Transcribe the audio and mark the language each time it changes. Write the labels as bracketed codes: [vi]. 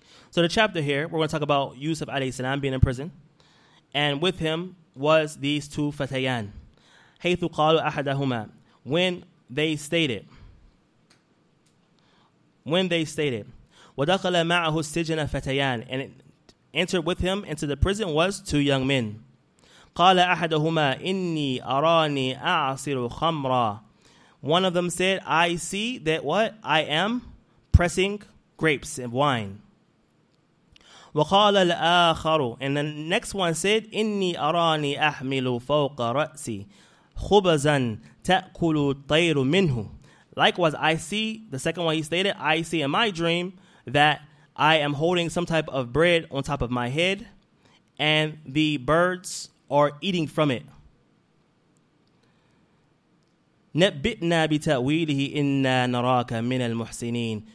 [en] So the chapter here, we're going to talk about Yusuf alayhi salam being in prison. And with him was these two فَتَيَانِ. [ar] حَيْثُ قَالُوا أَحَدَهُمَا, [en] when they stated, [ar] وَدَقَلَ مَعَهُ السِّجْنَ فَتَيَانِ, [en] and entered with him into the prison was two young men. [ar] قَالَ أَحَدَهُمَا إِنِّي أَرَانِي أَعْصِرُ خَمْرًا. [en] One of them said, I see that what? I am pressing grapes and wine. [ar] وَقَالَ الْآخَرُ, [en] and the next one said, [ar] إِنِّي أَرَانِي أَحْمِلُ فَوْقَ رَأْسِي خُبَزًا تَأْكُلُ الطَّيْرُ مِنْهُ. [en] Likewise, I see, the second one he stated, I see in my dream that I am holding some type of bread on top of my head and the birds are eating from it. [ar] نَبِّئْنَا بِتَأْوِيلِهِ إِنَّا نَرَاكَ مِنَ الْمُحْسِنِينَ.